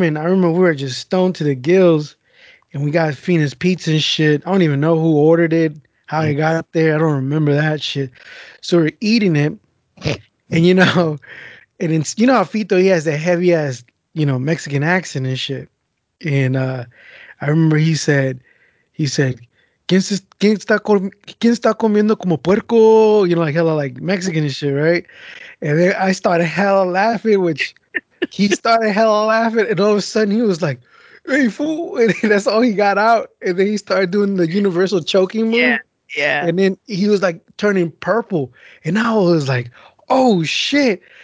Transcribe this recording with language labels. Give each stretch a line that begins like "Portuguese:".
English: And I remember we were just stoned to the gills. And we got Phoenix pizza and shit. I don't even know who ordered it, how he got up there. I don't remember that shit. So we're eating it. And, you know, how Fito, he has a heavy ass, you know, Mexican accent and shit. And, I remember he said,
Spanish: ¿Quién está comiendo como puerco?
English: You know, like hella like Mexican and shit, right? And then I started hella laughing, which he started hella laughing. And all of a sudden he was like, hey, fool. And that's all he got out. And then he started doing the universal choking move. Yeah. And then he was like turning purple. And I was like, oh, shit.